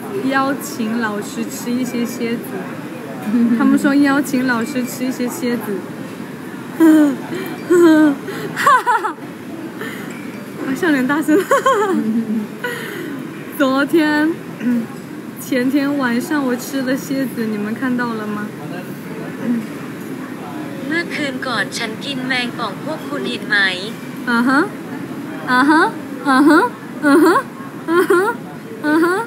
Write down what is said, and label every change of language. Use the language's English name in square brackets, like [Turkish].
[Chinese] 邀请老师吃一些蝎子，他们说邀请老师吃一些蝎子。哈哈，笑脸大声。昨天、前天晚上我吃的蝎子，你们看到了吗？ [Thai] เมื่อคืนก่อนฉันกินแมงป่องพวกคุณเห็นไหม？啊哈，啊哈，啊哈，啊哈，啊哈，啊哈。